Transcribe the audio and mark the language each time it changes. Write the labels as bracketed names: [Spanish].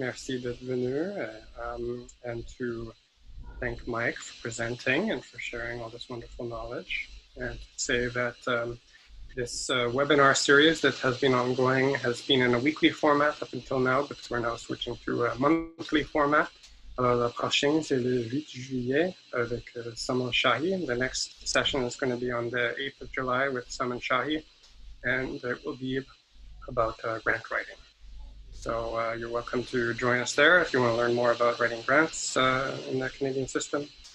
[French] Merci d'être venu, [English] and to thank Mike for presenting and for sharing all this wonderful knowledge, and say that this webinar series that has been ongoing has been in a weekly format up until now, but we're now switching to a monthly format. [French] Alors, la prochaine, c'est le 8 juillet avec Saman Shahi. [English] The next session is going to be on the 8th of July with Saman Shahi, and it will be about grant writing. So you're welcome to join us there if you want to learn more about writing grants in the Canadian system.